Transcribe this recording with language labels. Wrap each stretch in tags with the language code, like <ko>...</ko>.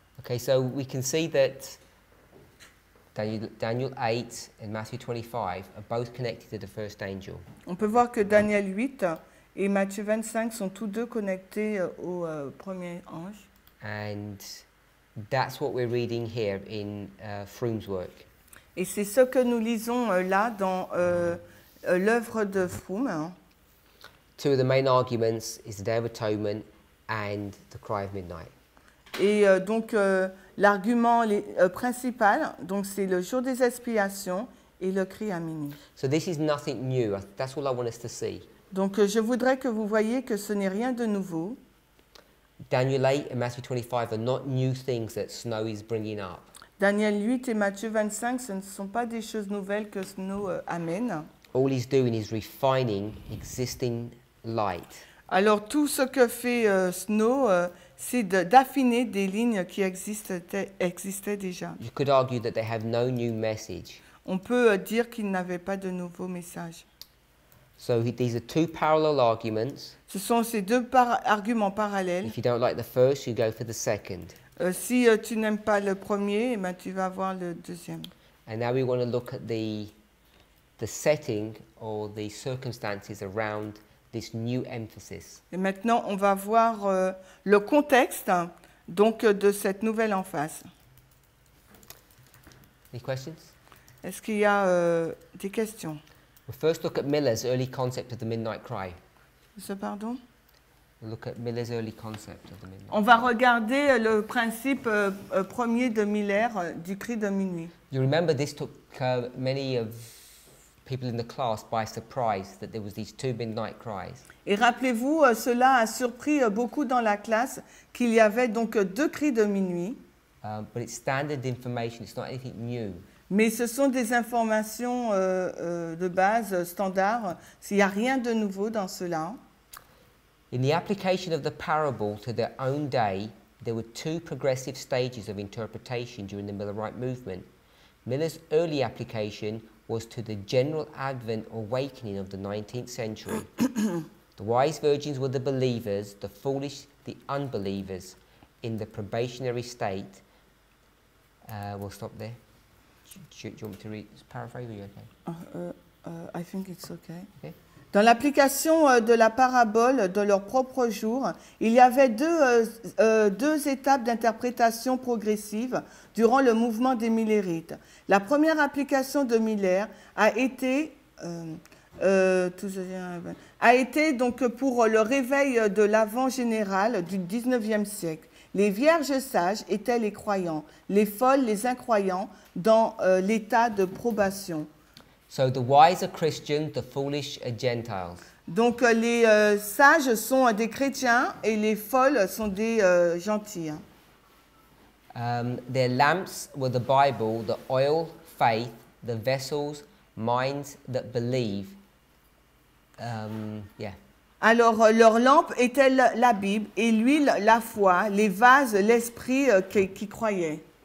<en>Okay, so we can see that Daniel 8 and Matthew 25 are both connected to the first angel.</en> <fr>On peut voir que Daniel 8 et Matthieu 25 sont tous deux connectés au premier ange.</fr> <en>And that's what we're reading here in Froom's work.</en> <fr>Et c'est ce que nous lisons là dans l'œuvre de Froom.</fr> <en>Two of the main arguments is the Day of Atonement and the Cry of Midnight.</en> <fr>Et donc l'argument principal, donc c'est le jour des expiations et le cri à minuit.</fr> <en>So this is nothing new. That's all I want us to see.</en> <fr>Donc je voudrais que vous voyiez que ce n'est rien de nouveau.</fr> <en>Daniel 8 and Matthew 25 are not new things that Snow is bringing up.</en> <fr>Daniel 8 et Matthieu 25, ce ne sont pas des choses nouvelles que Snow amène.</fr> <en>All he's doing is refining existing light.</en> <fr>Alors tout ce que fait Snow, c'est d'affiner des lignes qui existaient déjà.</fr> <en>You could argue that they have no new message.</en> <fr>On peut dire qu'ils n'avaient pas de nouveau message.</fr> <en>So these are two parallel arguments.</en> <fr>Ce sont ces deux arguments parallèles.</fr> <en>If you don't like the first, you go for the second.</en> <fr>Si tu n'aimes pas le premier, ben tu vas voir le deuxième.</fr> <en>And now we want to look at the setting or the circumstances around this new emphasis.</en> <fr>Et maintenant, on va voir le contexte donc de cette nouvelle emphase.</fr> <en>Any questions?</en> <fr>Est-ce qu'il y a des questions?</fr> <en>We'll first look at Miller's early concept of the midnight cry.</en> <fr>Pardon?</fr> <en>We'll look at Miller's early concept of the midnight cry.</en> <fr>On va regarder le principe premier de Miller du cri de minuit.</fr> <en>You remember this took many of people in the class by surprise that there was these two midnight cries.</en> <fr>Et rappelez-vous, cela a surpris beaucoup dans la classe qu'il y avait donc deux cris de minuit.</fr> <en>But it's standard information, it's not anything new.</en> <fr>Mais ce sont des informations de base, standard, s'il n'y a rien de nouveau dans cela.</fr> <en>In the application of the parable to their own day, there were two progressive stages of interpretation during the Millerite movement. Miller's early application was to the general advent awakening of the 19th century. The wise virgins were the believers, the foolish, the unbelievers. in the probationary state. We'll stop there. Do you want me to read, paraphrase, are you okay? I think it's okay. Okay.</en> <fr>Dans l'application de la parabole de leur propre jour, il y avait deux étapes d'interprétation progressive durant le mouvement des Millérites. La première application de Miller a été donc pour le réveil de l'avant général du 19e siècle. Les vierges sages étaient les croyants, les folles les incroyants dans l'état de probation.</fr> <en>So the wise are Christians, the foolish are Gentiles.</en> <fr>Donc les sages sont des chrétiens et les folles sont des gentils.</fr> <en>Their lamps were the Bible, the oil, faith, the vessels, minds that believe.</en> <fr>Alors leurs lampes étaient la Bible et l'huile la foi, les vases l'esprit qui croyaient.</fr>